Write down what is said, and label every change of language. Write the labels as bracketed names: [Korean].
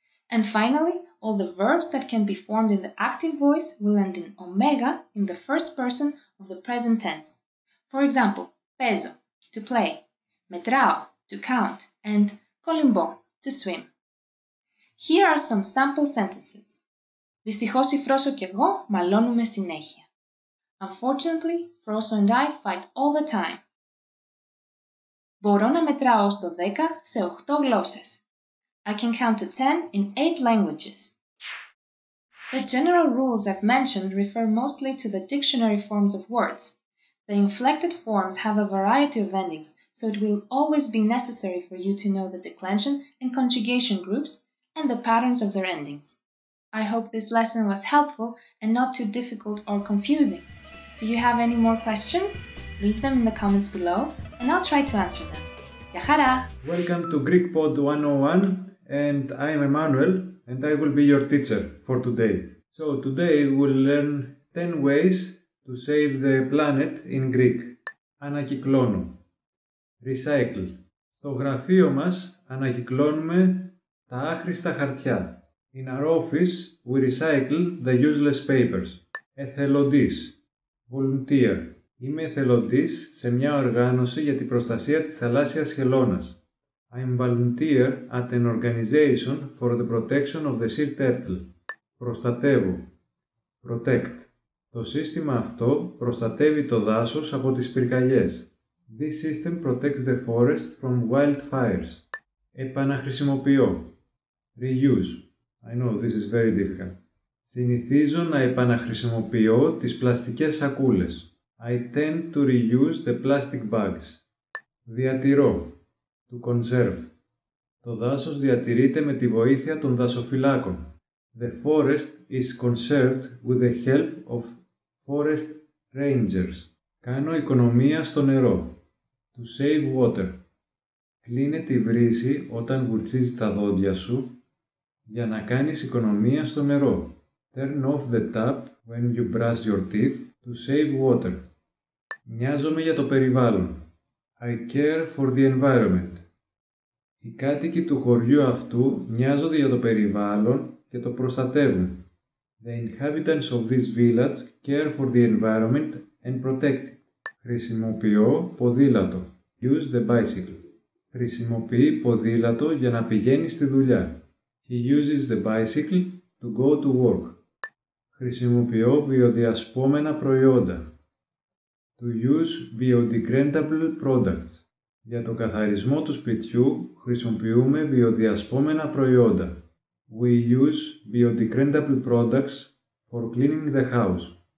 [English] And finally, all the verbs that can be formed in the active voice will end in omega in the first person of the present tense. For example, παίζω, to play, μετράω, to count, and κολυμπώ, to swim. Here are some sample sentences. [Greek] Δυστυχώς η Φρόσο και εγώ μαλώνουμε συνέχεια. [English] Unfortunately, Φρόσο and I fight all the time. [Greek] Μπορώ να μετράω ως το 10 σε 8 γλώσσες. [English] I can count to 10 in 8 languages. The general rules I've mentioned refer mostly to the dictionary forms of words. The inflected forms have a variety of endings, so it will always be necessary for you to know the declension and conjugation groups and the patterns of their endings. I hope this lesson was helpful and not too difficult or confusing. Do you have any more questions? Leave them in the comments below, and I'll try to answer them. [Greek] Γεια χαρά! [English] Welcome to Greek Pod 101, and I am Emmanuel, and I will be your teacher for today. So today we'll learn 10 ways to save the planet in Greek. [Greek] Ανακυκλώνω. [English] Recycle. [Greek] Στο γραφείο μας ανακυκλώνουμε τα άχρηστα χαρτιά. [English] In our office, we recycle the useless papers. [Greek] Εθελοντής. [English] Volunteer. [Greek] Είμαι εθελοντής σε μια οργάνωση για την προστασία της θαλάσσιας χελώνας. [English] I'm volunteer at an organization for the protection of the sea turtle. [Greek] Προστατεύω. [English] Protect. [Greek] Το σύστημα αυτό προστατεύει το δάσος από τις πυρκαγιές. [English] This system protects the forest from wildfires. [Greek] Επαναχρησιμοποιώ. [English] Reuse. I know this is very difficult. [Greek] Συνηθίζω να επαναχρησιμοποιώ τις πλαστικές σακούλες. [English] I tend to reuse the plastic bags. [Greek] Διατηρώ. [English] To conserve. [Greek] Το δάσος διατηρείται με τη βοήθεια των δασοφυλάκων. [English] The forest is conserved with the help of forest rangers. [Greek] Κάνω οικονομία στο νερό. [English] To save water. [Greek] Κλείνε τη βρύση όταν βουρτσίζεις τα δόντια σου για να κάνεις οικονομία στο νερό. [English] Turn off the tap when you brush your teeth to save water. [Greek] Νοιάζομαι για το περιβάλλον. [English] I care for the environment. [Greek] Οι κάτοικοι του χωριού αυτού νοιάζονται για το περιβάλλον και το προστατεύουν. [English] The inhabitants of this village care for the environment and protect it. [Greek] Χρησιμοποιώ ποδήλατο. [English] Use the bicycle. [Greek] Χρησιμοποιεί ποδήλατο για να πηγαίνει στη δουλειά. [English] He uses the bicycle to go to work. [Greek] Χρησιμοποιώ βιοδιασπόμενα προϊόντα. [English] To use biodegradable products. [Greek] Για το καθαρισμό του σπιτιού χρησιμοποιούμε βιοδιασπόμενα προϊόντα. [English] We use biodegradable products for cleaning the house.